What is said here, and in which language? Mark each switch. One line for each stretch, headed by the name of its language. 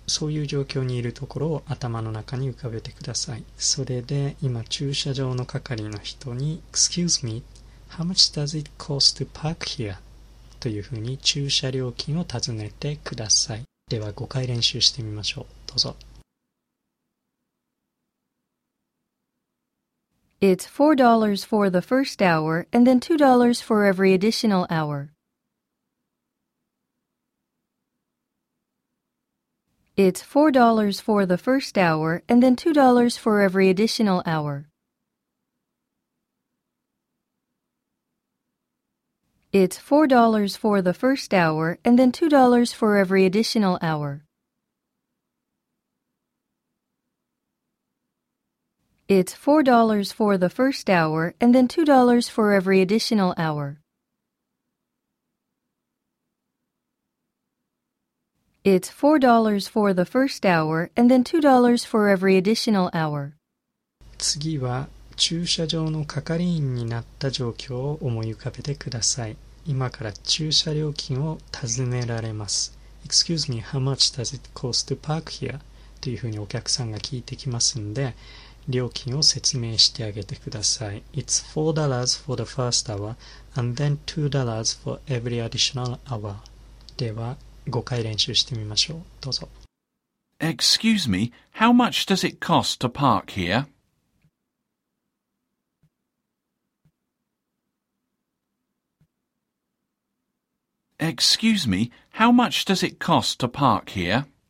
Japanese: そういう状況にいるところを頭の中に浮かべてください。それで、今、駐車場の係の人に、
English: Excuse me, how much does it cost to park here?
Japanese: というふうに駐車料金を尋ねてください。では5回練習してみましょう。どうぞ。
English: It's $4 for the first hour and then $2 for every additional hour. It's $4 for the first hour and then $2 for every additional hour. It's $4 for the first hour and then $2 for every additional hour. It's $4 for the first hour and then $2 for every additional hour. It's $4 for the first hour and then $2 for every additional hour.
Japanese: 次は駐車場の係員になった状況を思い浮かべてください。今から駐車料金を尋ねられます。
English: Excuse me, how much does it cost to park here?
Japanese: というふうにお客さんが聞いてきますので、料金を説明してあげてください。
English: It's $4 for the first hour, and then $2 for every additional hour.
Japanese: では、5回練習してみましょう。どうぞ。
English: Excuse me, how much does it cost to park here? Excuse me, how much does it cost to park here?